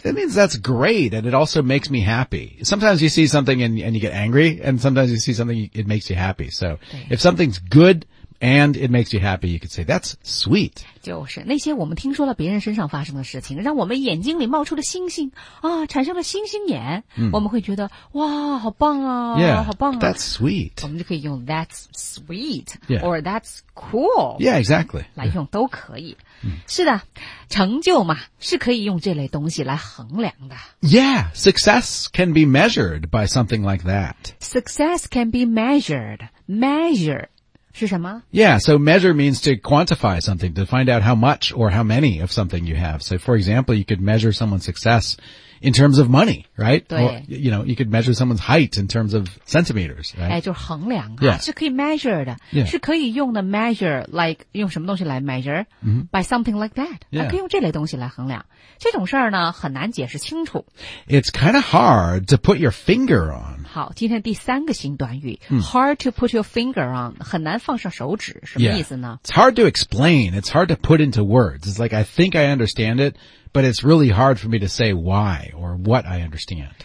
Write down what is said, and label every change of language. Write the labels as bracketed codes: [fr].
[en] It means that's great, and it also makes me happy. Sometimes you see something and you get angry, and sometimes you see something it makes you happy. So if something's good. And it makes you happy, you could say, that's sweet. [zh] 就是那些我们听说了别人身上发生的事情让我们眼睛里冒出了星星啊，产生了星星眼、嗯、我们会觉得哇好棒啊 [en] yeah, [zh] 好棒啊 [en] that's sweet. [zh] 我们就可以用 [en] that's sweet,、 yeah. or that's cool. Yeah, exactly. [zh] 来用都可以。是的成就嘛是可以用这类东西来衡量的。 [en] Yeah, success can be measured by something like that. Success can be measured. Measure. 是什么 Yeah, so measure means to quantify something, to find out how much or how many of something you have. So, for example, you could measure someone's success in terms of money, right? [zh] 对 or, [en] You know, you could measure someone's height in terms of centimeters, right? [zh] 哎，就是衡量啊、 [en] yeah. [zh] 是可以 measure 的、 [en] yeah. [zh] 是可以用的 measure, like 用什么东西来 measure?、 [en] Mm-hmm. By something like that. 那、yeah. [zh] 可以用这类东西来衡量。这种事儿呢很难解释清楚。 [en] It's kind of hard to put your finger on. [zh] 好今天第三个新短语、mm. [en] hard to put your finger on, [zh] 很难放上手指什么意思呢、 [en] yeah. It's hard to explain, it's hard to put into words. It's like, I think I understand it,But it's really hard for me to say why or what I understand.